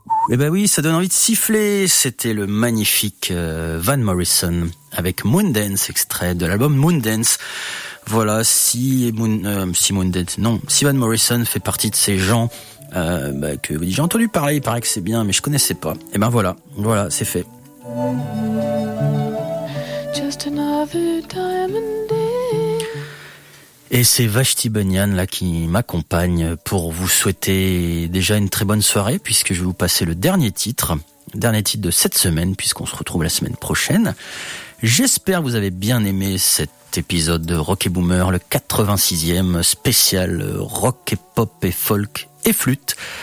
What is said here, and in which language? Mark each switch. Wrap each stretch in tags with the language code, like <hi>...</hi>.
<fr>Eh ben oui, ça donne envie de siffler. C'était le magnifique Van Morrison avec Moondance, extrait de l'album Moondance. Voilà, si Van Morrison fait partie de ces gens que vous dites, j'ai entendu parler, il paraît que c'est bien, mais je connaissais pas. Et ben voilà, c'est fait.</fr> <en>Just another diamond day.</en> <fr>Et c'est Vashti Bunyan là qui m'accompagne pour vous souhaiter déjà une très bonne soirée, puisque je vais vous passer le dernier titre de cette semaine, puisqu'on se retrouve la semaine prochaine. J'espère que vous avez bien aimé cet épisode de Rock et Boomer, le 86e spécial rock et pop et folk et flûte.</fr>